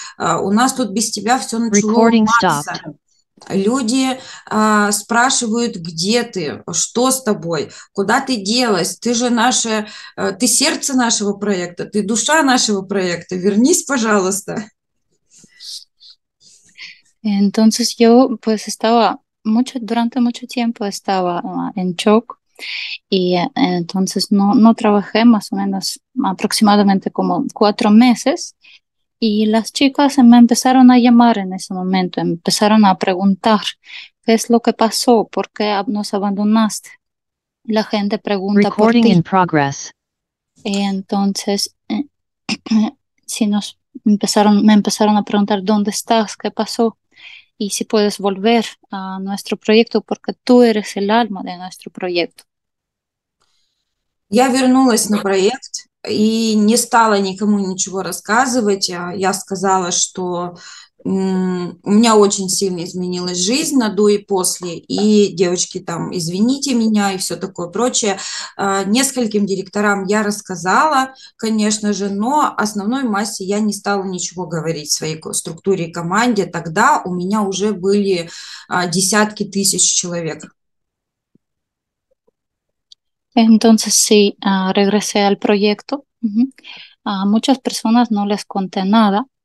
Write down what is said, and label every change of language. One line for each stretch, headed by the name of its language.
Russian: У нас тут без тебя все начало ломаться». Люди спрашивают, где ты, что с тобой, куда ты делась, ты же наше, ты сердце нашего проекта, ты душа нашего проекта, вернись, пожалуйста.
Spanish: Entonces yo pues estaba mucho, durante mucho tiempo estaba en shock y entonces no trabajé más o menos aproximadamente como 4 meses. Y las chicas me empezaron a llamar en ese momento, empezaron a preguntar qué es lo que pasó, por qué nos abandonaste. La gente pregunta
English: Recording
Spanish: por ti.
English: In progress.
Spanish: Y entonces, me empezaron a preguntar dónde estás, qué pasó, y si puedes volver a nuestro proyecto, porque tú eres el alma de nuestro proyecto.
Russian: Я вернулась на проект и не стала никому ничего рассказывать. Я сказала, что у меня очень сильно изменилась жизнь на до и после. И девочки там, извините меня и все такое прочее. Нескольким директорам я рассказала, конечно же, но основной массе я не стала ничего говорить своей структуре и команде. Тогда у меня уже были десятки тысяч человек.
Spanish: Entonces sí, regresé al proyecto. A muchas personas no les conté nada.